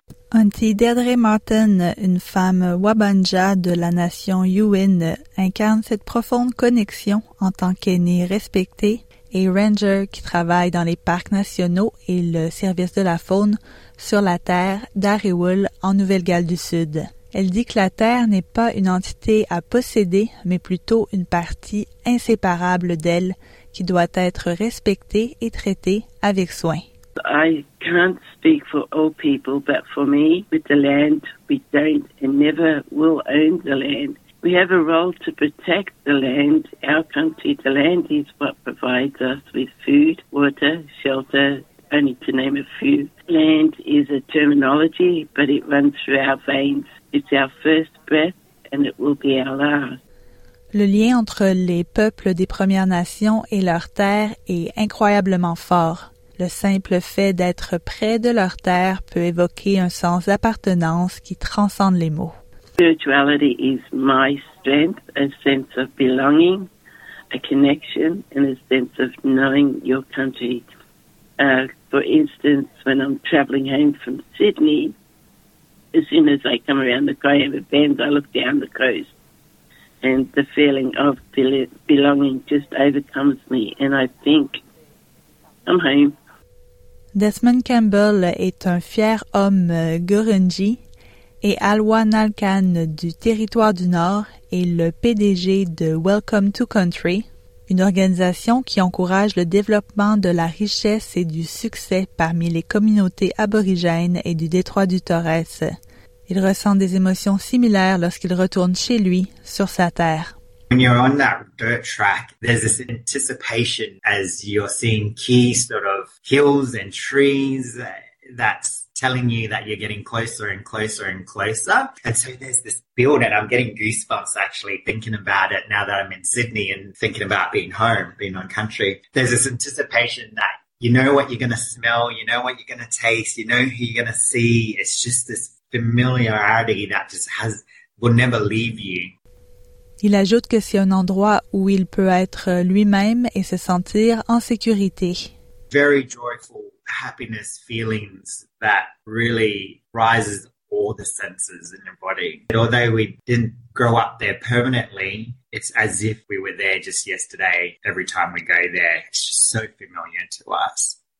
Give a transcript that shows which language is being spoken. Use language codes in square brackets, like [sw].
[fr] Auntie Deirdre Martin, une femme Wabanja de la nation Yuin, incarne cette profonde connexion en tant qu'aînée respectée et ranger qui travaille dans les parcs nationaux et le service de la faune sur la terre d'Ariwul en Nouvelle-Galles du Sud. Elle dit que la terre n'est pas une entité à posséder, mais plutôt une partie inséparable d'elle qui doit être respectée et traitée avec soin. [en] I can't speak for all people, but for me, with the land, we don't and never will own the land. We have a role to protect the land, our country. The land is what provides us with food, water, shelter, only to name a few. Land is a terminology, but it runs through our veins. It's our first breath, and it will be our last. [fr] Le lien entre les peuples des Premières Nations et leur terre est incroyablement fort. Le simple fait d'être près de leur terre peut évoquer un sens d'appartenance qui transcende les mots. [en] Spirituality is my strength, a sense of belonging, a connection, and a sense of knowing your country. For instance, when I'm traveling home from Sydney, as soon as I come around the Graham Bend, I look down the coast, and the feeling of belonging just overcomes me, and I think, I'm home. [fr] Desmond Campbell est un fier homme Gurundji et Alwa Nalkan du Territoire du Nord est le PDG de Welcome to Country, une organisation qui encourage le développement de la richesse et du succès parmi les communautés aborigènes et du détroit du Torres. Il ressent des émotions similaires lorsqu'il retourne chez lui, sur sa terre. [en] When you're on that dirt track, there's this anticipation as you're seeing key sort of hills and trees that's telling you that you're getting closer and closer and closer. And so there's this build, and I'm getting goosebumps actually thinking about it now that I'm in Sydney and thinking about being home, being on country. There's this anticipation that you know what you're going to smell, you know what you're going to taste, you know who you're going to see. It's just this familiarity that just has will never leave you. [fr] Il ajoute que c'est un endroit où il peut être lui-même et se sentir en sécurité. [en] Very joyful, happiness feelings that really rises all the senses in your body. And although we didn't grow up there permanently, it's as if we were there just yesterday. Every time we go there, it's just so familiar to us.